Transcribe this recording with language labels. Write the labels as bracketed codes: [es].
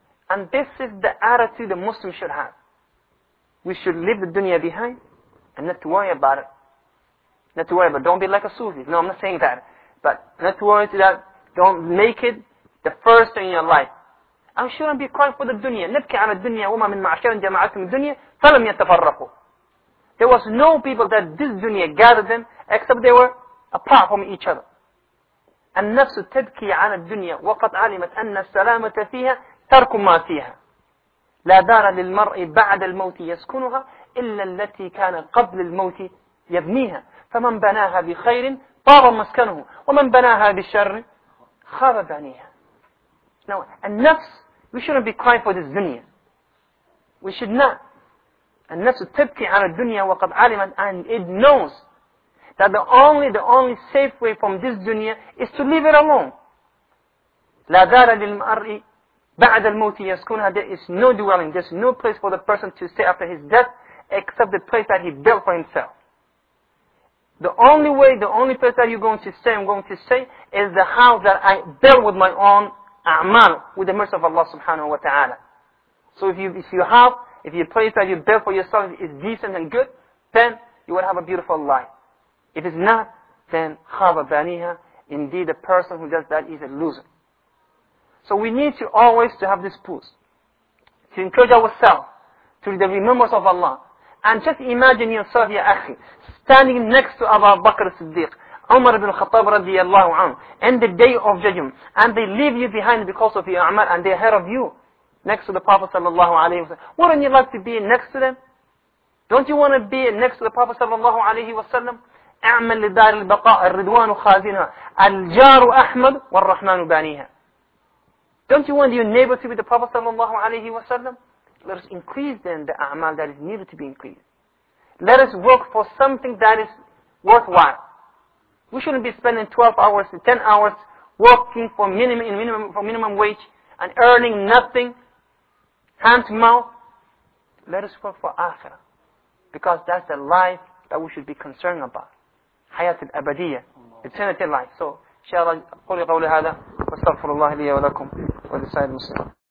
[en] And this is the attitude the Muslim should have. We should leave the dunya behind and not to worry about it. Not to worry about it. Don't be like a Sufi. No, I'm not saying that. But not to worry about that. Don't make it the first thing in your life. I shouldn't be crying for the dunya. [ar] نبكي على الدنيا وما من معشرين جماعتهم الدنيا فلم يتفرقوا. [en] There was no people that this dunya gathered them except they were apart from each other. [ar] النفس تبكي على الدنيا وقد علمت أن السلامة فيها ترك ما فيها. لا دار للمرء بعد الموت يسكنها إلا التي كان قبل الموت يبنيها. فمن بناها بخير طاب مسكنه ومن بناها بشر خاب بنيها. [en] Now, النفس, we shouldn't be crying for this dunya. We should not. [ar] النفس تبكي على الدنيا وقد علمت [en] and it knows that the only safe way from this dunya is to leave it alone. [ar] لا دار للمرء بعد الموت يسكنها. [en] There is no dwelling, there's no place for the person to stay after his death except the place that he built for himself. The only way, the only place that you're going to stay, I'm going to stay, is the house that I built with my own a'mal, with the mercy of Allah subhanahu wa ta'ala. So if your place that you built for yourself is decent and good, then you will have a beautiful life. If it's not, then [ar] khaba baniha, [en] indeed the person who does that is a loser. So we need to always to have this pulse, to encourage ourselves through the remembrance of Allah. And just imagine yourself, ya akhi, standing next to Abu Bakr Siddiq, Umar ibn Khattab radiallahu anhu, in the day of judgment, and they leave you behind because of your amal, and they are ahead of you, next to the Prophet sallallahu alayhi wa sallam. Wouldn't you like to be next to them? Don't you want to be next to the Prophet sallallahu alayhi wa sallam? [ar] أعمل لدار البقاء الرضوان خازنها الجار أحمد والرحمن بانيها. [en] Don't you want your neighbor to be the Prophet sallallahu alayhi wa sallam? Let us increase then the a'mal that is needed to be increased. Let us work for something that is worthwhile. We shouldn't be spending 12 hours to 10 hours working for minimum wage and earning nothing, hand to mouth. Let us work for akhirah. Because that's the life that we should be concerned about. [ar] حياه الابديه [en] eternity life. So inshallah [ar] قولي قولي هذا واستغفر الله لي ولكم ولسائر المسلمين.